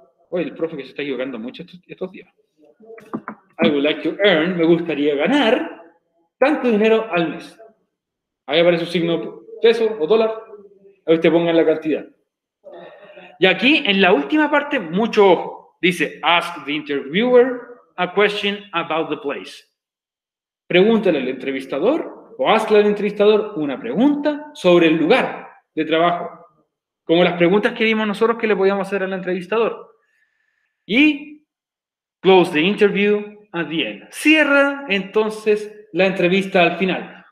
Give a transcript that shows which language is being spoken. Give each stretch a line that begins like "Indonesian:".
Spanish: Uy, el profe que se está equivocando mucho estos días.
English: I would like to earn,
Spanish: me gustaría ganar tanto dinero al mes. Ahí aparece un signo peso o dólar. Ahí te pongan la cantidad. Y aquí, en la última parte, mucho ojo.
English: Dice, ask the interviewer a question about the place.
Spanish: Pregúntale al entrevistador o hazle al entrevistador una pregunta sobre el lugar de trabajo. Como las preguntas que vimos nosotros que le podíamos hacer al entrevistador.
English: Y close the interview at the end.
Spanish: Cierra entonces la entrevista al final.